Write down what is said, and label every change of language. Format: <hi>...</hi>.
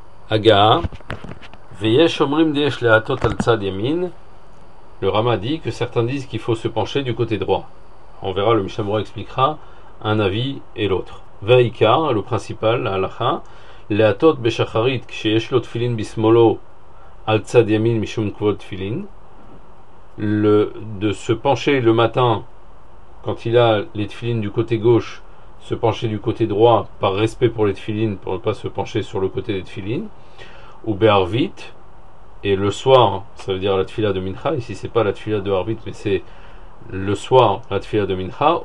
<he>Aga, Veyesh Omrim Deyesh Lehatot Al Tzad Yamin.</he> <fr>Le Rama dit que certains disent qu'il faut se pencher du côté droit. On verra, le Mishnah Berurah expliquera un avis et l'autre. Veikar, le principal, la halakha.</fr> <he>להטות בשחרית כשיש לו תפילין בשמאלו על צד ימין משום כבוד תפילין.</he> <fr>Le, de se pencher le matin quand il a les tefilines du côté gauche, se pencher du côté droit par respect pour les tefilines, pour ne pas se pencher sur le côté des tefilines. Ou bearvit, et le soir, ça veut dire la tefila de mincha, ici c'est pas la tefila de arvit mais c'est le soir la tefila de mincha.</fr>